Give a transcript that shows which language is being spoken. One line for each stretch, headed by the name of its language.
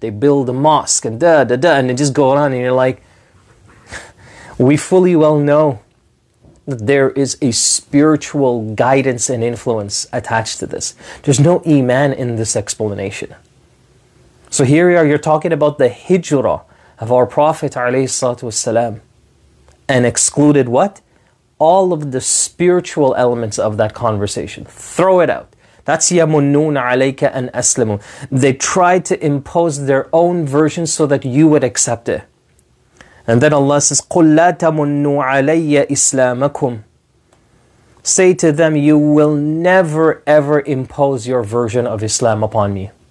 English: They build a mosque and da da da. And it just goes on and you're like, we fully well know that there is a spiritual guidance and influence attached to this. There's no iman in this explanation. So here we are, you're talking about the hijrah of our Prophet ﷺ, and excluded what? All of the spiritual elements of that conversation. Throw it out. That's
Arabic: يَمُنُّونَ عَلَيْكَ أَنْ أَسْلِمُ.
English: They tried to impose their own version so that you would accept it. And then Allah says,
Arabic: قُلْ لَا تَمُنُّوا عَلَيَّ إِسْلَامَكُمْ.
English: Say to them, you will never ever impose your version of Islam upon me.